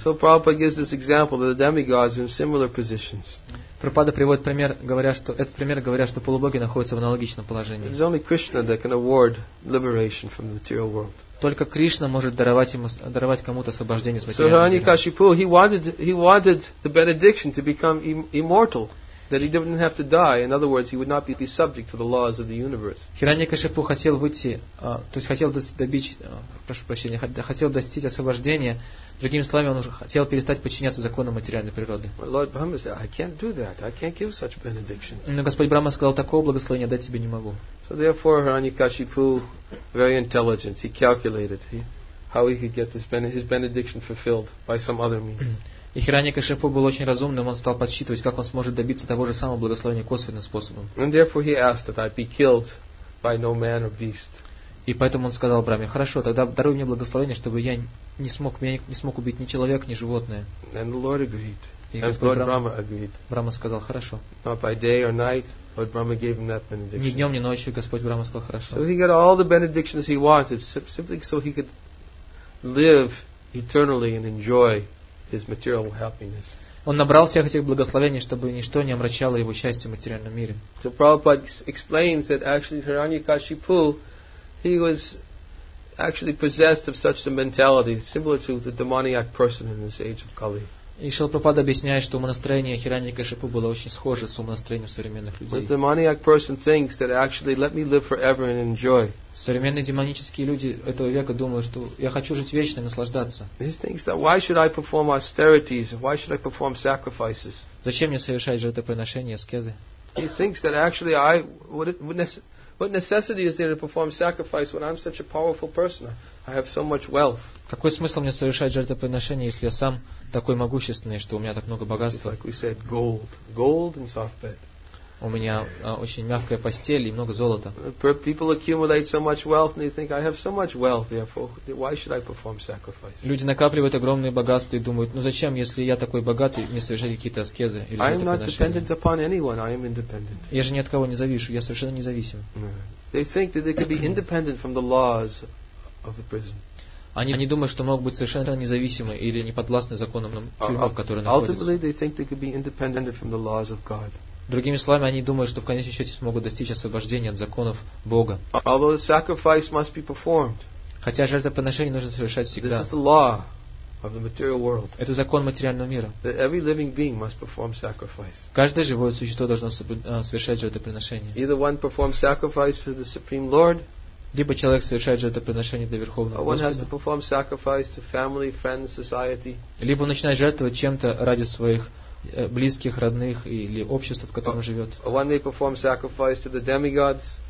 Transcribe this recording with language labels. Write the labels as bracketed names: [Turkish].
[English] So Prabhupada gives this example that the demigods are in similar positions. [Russian] Прабхупада приводит пример, говоря, что этот пример, говоря, что полубоги находятся в аналогичном положении. [English] It's only Krishna that can award liberation from the material world. [Russian] Только Кришна может даровать кому-то освобождение из материального мира. [English] So Hiranyakashipu, he wanted the benediction to become immortal. That he didn't have to die. In other words, he would not be subject to the laws of the universe. [Russian] Хираньякашипу хотел выйти, то есть хотел добить, прошу прощения, хотел достичь освобождения. Другими словами, он хотел перестать подчиняться законам материальной природы. [English] But Lord Brahma said, I can't do that. I can't give such benedictions. [Russian] Но Господь Брахма сказал: такого благословения дать тебе не могу. [English] So therefore, Хираньякашипу, very intelligent, he calculated how he could get his benediction fulfilled by some other means. [Russian] И Хираньякашипу был очень разумным, он стал подсчитывать, как он сможет добиться того же самого благословения косвенным способом. [English] And therefore he asked that I be killed by no man or beast. [Russian] И поэтому он сказал Брахме: хорошо, тогда даруй мне благословение, чтобы я не смог убить ни человек, ни животное. [English] And the Lord agreed. And Brahma agreed. [Russian] Брахма сказал: хорошо. [English] Not by day or night, Lord Brahma gave him that benediction. [Russian] Ни днем, ни ночью Господь Брахма сказал: хорошо. [English] So he got all the benedictions he wanted, simply so he could live eternally and enjoy his material happiness. [Russian] Он набрал всех этих благословений, чтобы ничто не омрачало его счастье в материальном мире. [English] So Prabhupada explains that actually Hiranyakashipu, he was actually possessed of such a mentality similar to the demoniac person in this age of Kali. [Russian] И Шрила Прабхупада объясняет, что умонастроение Хираньякашипу было очень схоже с умонастроением современных людей. [English] The demoniac person thinks that actually let me live forever and enjoy. [Russian] Современные демонические люди этого века думают, что я хочу жить вечно и наслаждаться. [English] He thinks that why should I perform austerities? Why should I perform sacrifices? [Russian] Зачем мне совершать жертвоприношения, аскезы? [English] He thinks that actually I what necessity is there to perform sacrifice when I'm such a powerful person? I have so much wealth. [Russian] Какой смысл мне совершать жертвоприношение, если я сам такой могущественный, что у меня так много богатства? [English] Like we said, gold and soft bed. [Russian] У меня очень мягкая постель и много золота. [English] People accumulate so much wealth and they think, I have so much wealth, therefore why should I perform sacrifice? [Russian] Люди накапливают огромные богатства и думают: ну зачем, если я такой богатый, мне совершать какие-то аскезы или жертвоприношения? [English] I am not dependent upon anyone. I am independent. [Russian] Я же ни от кого не завишу, я совершенно независим. [English] They think that they could be independent from the laws of the prison. [Russian] Они думают, что могут быть совершенно независимы или не подвластны законам тюрьмы, в которой находятся. [English] Ultimately, they think they could be independent from the laws of God. [Russian] Другими словами, они думают, что в конечном счете смогут достичь освобождения от законов Бога. [English] Although sacrifice must be performed. [Russian] Хотя жертвоприношение нужно совершать всегда. [English] This is the law of the material world. [Russian] Это закон материального мира. [English] That every living being must perform sacrifice. [Russian] Каждое живое существо должно совершать жертвоприношение. [English] Either one performs sacrifice for the Supreme Lord. [Russian] Либо человек совершает жертвоприношение для Верховного Господа. [English] One has to perform sacrifice to family, friends, society. [Russian] Либо он начинает жертвовать чем-то ради своих близких, родных или общества, в котором живет. [English] One may perform sacrifice to the demigods.